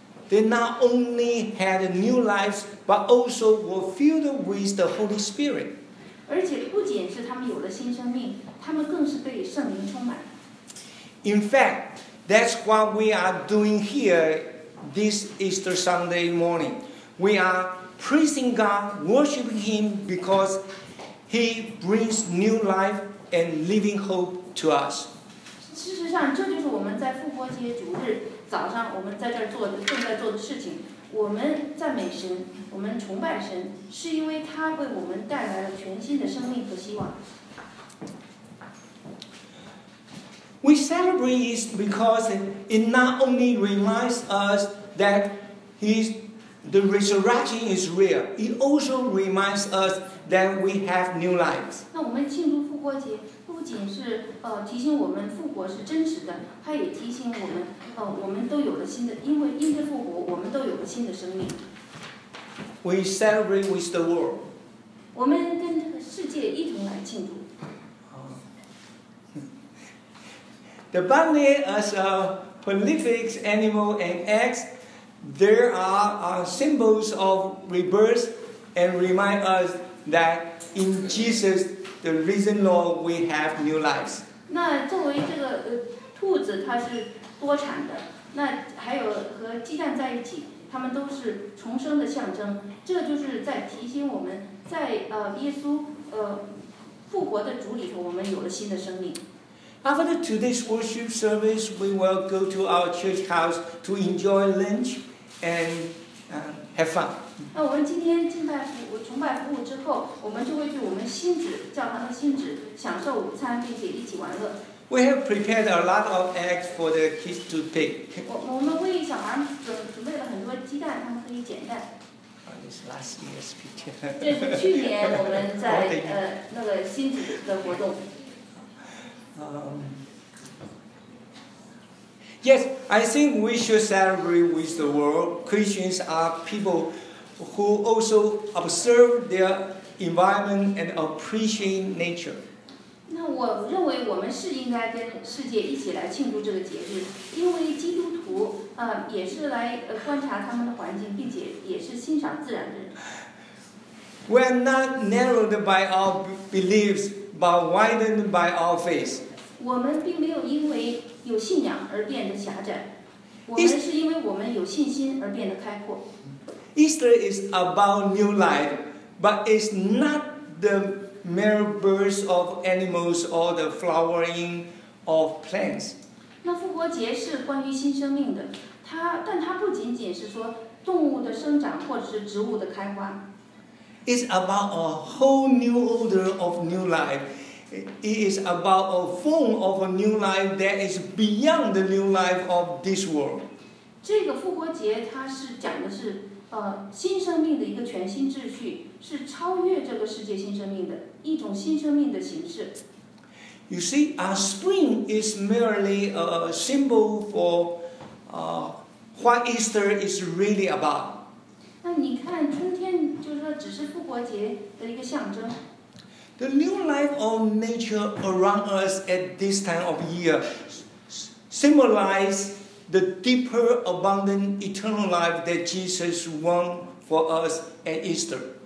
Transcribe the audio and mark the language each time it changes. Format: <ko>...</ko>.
<en>They not only had new lives, but also were filled with the Holy Spirit.</en> <zh>而且不仅是他们有了新生命，他们更是被圣灵充满。</zh> <en>In fact, that's what we are doing here this Easter Sunday morning. We are praising God, worshiping Him because He brings new life and living hope to us.</en> <zh>事实上，这就是我们在复活节主日早上，我们在这儿做的，正在做的事情。我们赞美神，我们崇拜神，是因为他为我们带来了全新的生命和希望。</zh> <en>We celebrate because it not only reminds us that the resurrection is real, it also reminds us that we have new lives.</en> <zh>那我们庆祝复活节，不仅是提醒我们复活是真实的，它也提醒我们，我们都有了新的，因着复活，我们都有了新的生命。</zh> <en>We celebrate with the world.</en> <zh>我们跟这个世界一同来庆祝。</zh> <en>The bunny as a prolific animal and eggs, there are symbols of rebirth and remind us that in Jesus, the risen Lord, we have new lives.</en> <zh>那作为这个兔子，它是多产的，那还有和鸡蛋在一起，它们都是重生的象征。这就是在提醒我们在耶稣复活的主里头，我们有了新的生命。</zh> <en>After today's worship service, we will go to our church house to enjoy lunch and have fun.</en> <zh>那我们今天敬拜服务、崇拜服务之后，我们就会去我们新址教堂的新址享受午餐，并且一起玩乐。</zh> <en>We have prepared a lot of eggs for the kids to pick.</en> <zh>我们为小孩准备了很多鸡蛋，他们可以捡蛋。</zh> <en>This last year's picture.</en> <zh>这是去年我们在那个新址的活动。</zh> <en>Yes, I think we should celebrate with the world. Christians are people who also observe their environment and appreciate nature.</en> <zh>那我认为我们是应该跟世界一起来庆祝这个节日，因为基督徒也是来观察他们的环境，并且也是欣赏自然的人。</zh> <en>We are not narrowed by our beliefs, but widened by our faith.</en> <zh>我们并没有因为有信仰而变得狭窄，我们是因为我们有信心而变得开阔。</zh> <en>Easter is about new life, but it's not the mere birth of animals or the flowering of plants.</en> <zh>那复活节是关于新生命的，但它不仅仅是说动物的生长或者是植物的开花。</zh> <en>It's about a whole new order of new life. It is about a form of a new life that is beyond the new life of this world.</en> <zh>这个复活节它是讲的是新生命的一个全新秩序，是超越这个世界新生命的一种新生命的形式。</zh> <en>You see, our spring is merely a symbol for what Easter is really about.</en> <zh>那你看春天就是说只是复活节的一个象征。</zh> <en>The new life of nature around us at this time of year symbolizes the deeper, abundant, eternal life that Jesus won for us at Easter.</en>